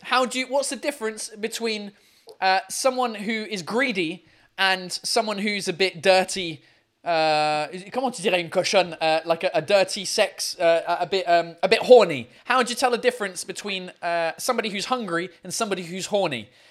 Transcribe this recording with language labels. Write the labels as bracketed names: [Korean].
[English] What's the difference between someone who is greedy and someone who's a bit dirty? [French] Comment tu dirais une cochonne, [English] like a dirty sex, a bit horny. How would you tell the difference between somebody who's hungry and somebody who's horny?